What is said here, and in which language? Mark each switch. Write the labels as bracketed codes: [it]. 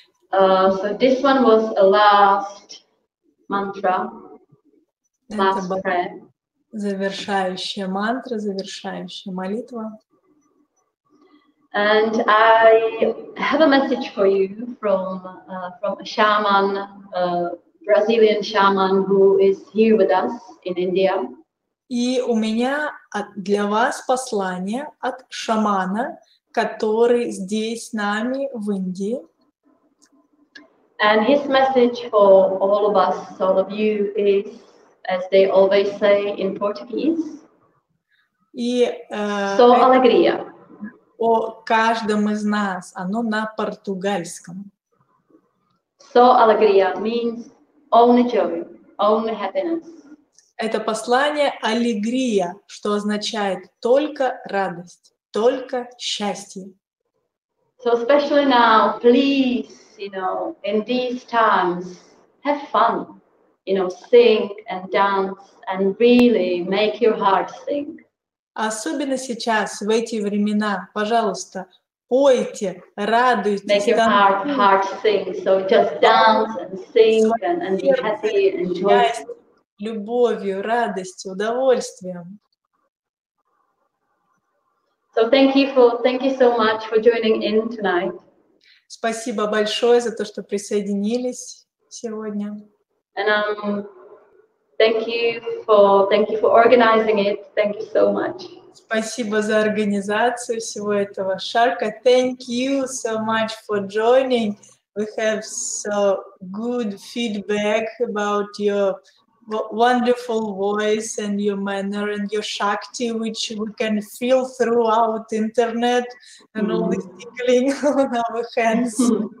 [en] So this one was a last mantra, last prayer. [ru] Завершающая мантра, завершающая молитва. [en] And I have a message for you from a shaman, a Brazilian shaman who is here with us in India. [ru] И у меня для вас послание от шамана, который здесь с нами в Индии. [en] And his message for all of us, all of you, is, as they always say in Portuguese, [ru] и, [pt] so alegria. [ru] о каждом из нас, оно на португальском. [en] So alegria means only joy, only happiness. [ru] Это послание алегрия, что означает только радость, только счастье. [en] So especially now, please, you know, in these times, have fun. You know, sing and dance and really make your heart sing. [ru] Особенно сейчас, в эти времена, пожалуйста, пойте, радуйтесь. [en] Make your heart sing. So just dance and sing and be happy and joyful. [ru] Любовью, радостью, удовольствием. [en] So thank you so much for joining in tonight. [ru] Спасибо большое за то, что присоединились сегодня. [en] And thank you for organizing it. Thank you so much. [ru] Спасибо за организацию всего этого. [en] Sharka, thank you so much for joining. We have so good feedback about your wonderful voice and your manner and your Shakti, which we can feel throughout internet and all the tickling on our hands.